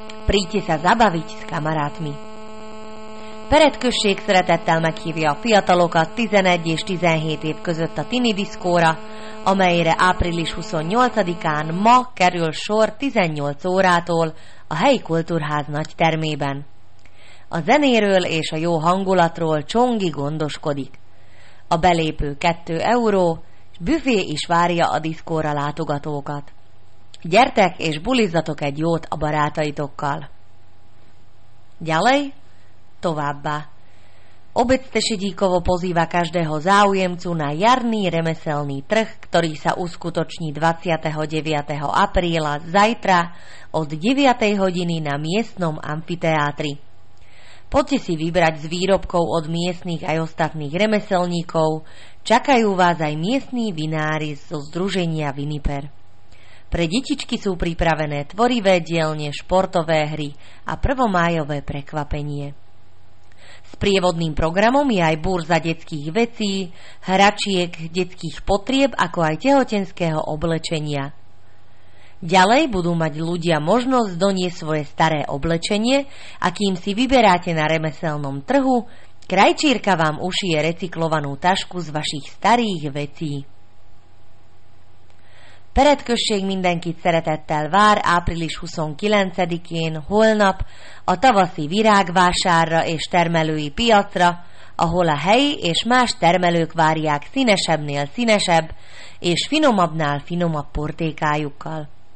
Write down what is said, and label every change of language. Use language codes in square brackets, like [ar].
[sk] Príďte sa zabaviť s kamarátmi. [hu] Peredkösség szeretettel meghívja a fiatalokat 11 és 17 év között a Tini Diszkóra, amelyre április 28-án ma kerül sor 18 órától a helyi kultúrház nagy termében. A zenéről és a jó hangulatról Csongi gondoskodik. A belépő 2 euró, és büfé is várja a diszkóra látogatókat. Gyertek és bulizzatok egy jót a barátaitokkal! Gyalej! Továbbá. [sk] Obec Tešedíkovo pozýva každého záujemcu na jarný remeselný trh, ktorý sa uskutoční 29. apríla zajtra od 9. hodiny na miestnom amfiteátri. Poďte si vybrať z výrobkov od miestnych aj ostatných remeselníkov, čakajú vás aj miestní vinári zo združenia Viniper. Pre detičky sú pripravené tvorivé dielne, športové hry a prvomájové prekvapenie. S prievodným programom je aj burza detských vecí, hračiek, detských potrieb, ako aj tehotenského oblečenia. Ďalej budú mať ľudia možnosť doniesť svoje staré oblečenie a kým si vyberáte na remeselnom trhu, krajčírka vám ušije recyklovanú tašku z vašich starých vecí. [hu] Peredkösség mindenkit szeretettel vár április 29-én, holnap, a tavaszi virágvásárra és termelői piacra, ahol a helyi és más termelők várják színesebbnél színesebb és finomabbnál finomabb portékájukkal.